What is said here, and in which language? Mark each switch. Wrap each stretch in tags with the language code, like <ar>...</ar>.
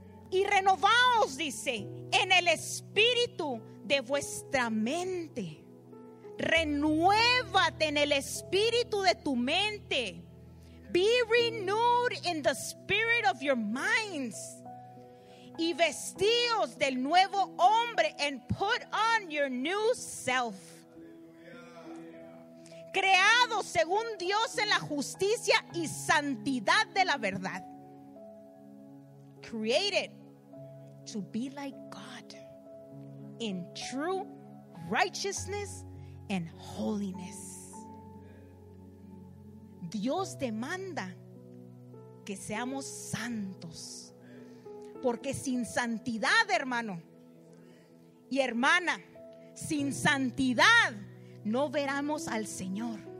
<es>Y renovaos, dice, en el espíritu de vuestra mente. Renuévate en el espíritu de tu mente.</es> <en>Be renewed in the spirit of your minds.</en> <es>Y vestíos del nuevo hombre,</es> <en>and put on your new self.</en> <es>Creado según Dios en la justicia y santidad de la verdad.</es> <en>Created to be like God in true righteousness and holiness.</en> <es>Dios demanda que seamos santos, porque sin santidad, hermano y hermana, sin santidad no veremos al Señor.</es>